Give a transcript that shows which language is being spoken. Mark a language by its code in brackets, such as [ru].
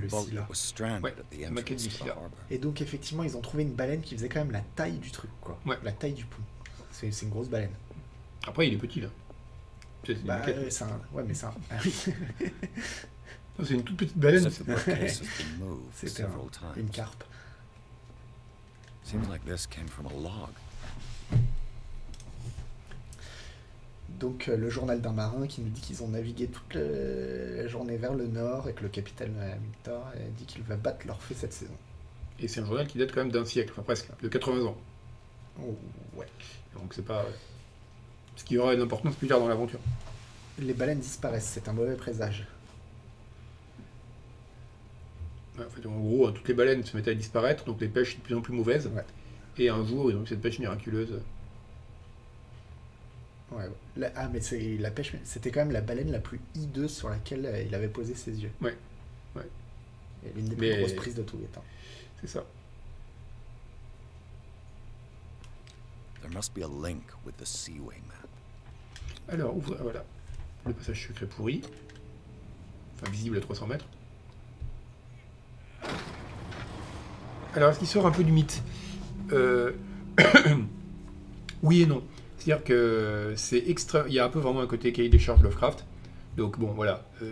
[fr] la maquette du Scylla. Et donc, effectivement, ils ont trouvé une baleine qui faisait quand même la taille du truc, quoi. Ouais. La taille du pont. C'est une grosse baleine. Après, il est petit, là. C'est Bah, une c'est un... Ouais, mais ça. Ah oui. Non, c'est une toute petite baleine. C'était une carpe. [en] Seems like this came from a log. [fr] Donc, le journal d'un marin qui nous dit qu'ils ont navigué toute la journée vers le nord et que le capitaine Hamilton dit qu'il va battre leur feu cette saison. Et c'est un journal qui date quand même d'un siècle, enfin presque, de 80 ans. Oh, ouais. Donc, c'est pas. Ce qui aura une importance plus tard dans l'aventure. Les baleines disparaissent, c'est un mauvais présage. En fait, en gros, toutes les baleines se mettaient à disparaître, donc les pêches de plus en plus mauvaises. Ouais. Et un jour, ils ont eu cette pêche miraculeuse. Ouais. Ah, mais c'est la pêche, c'était quand même la baleine la plus hideuse sur laquelle il avait posé ses yeux. Ouais. Ouais. Et l'une des plus grosses prises de tous les temps. C'est ça. [en] There must be a link with the Seaway map. [fr] Alors, ouvre, voilà. Le passage secret pourri. Enfin, visible à 300 mètres. Alors, est-ce qu'il sort un peu du mythe? Oui et non. C'est-à-dire que c'est extra... Il y a un peu vraiment un côté cahier des charges Lovecraft. Donc, bon, voilà.